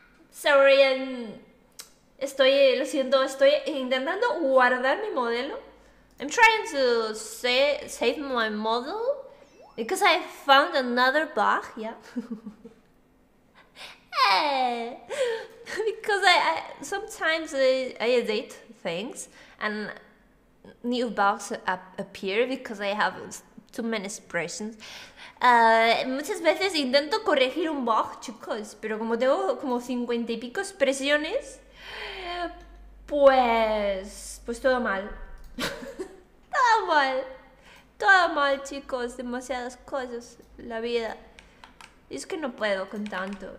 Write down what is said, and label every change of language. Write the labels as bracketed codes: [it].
[es] Sorry, lo siento, estoy intentando guardar mi modelo. [en] I'm trying to save my model because I found another bug, yeah. Because sometimes I edit things and new bugs appear because I have too many expressions. [es] Muchas veces intento corregir un bug, chicos, pero como tengo como 50 y pico expresiones, pues todo mal. Todo mal. Todo mal, chicos. Demasiadas cosas. La vida. Es que no puedo con tanto.